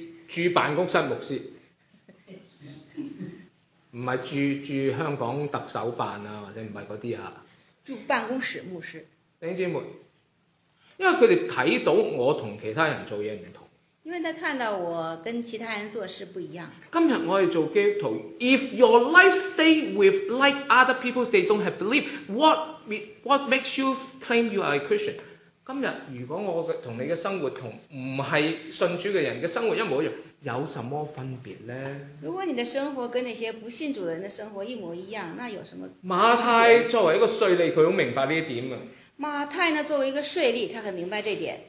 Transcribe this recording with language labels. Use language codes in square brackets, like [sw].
[zh] 住办公室牧师，不是住香港特首办啊，或者不是那些啊，住办公室牧师。弟兄姐妹，因为他们看到我跟其他人做事不同，因为他看到我跟其他人做事不一样。今天我是做基督徒， [en] If your life stay with like other people they don't have belief, what makes you claim you are a Christian? [zh] 今天如果我跟你的生活跟不是信主的人的生活一模一样，有什么分别呢？如果你的生活跟那些不信主的人的生活一模一样，那有什么分别？马太作为一个税吏，他很明白这一点。马太呢作为一个税吏，他很明白这点。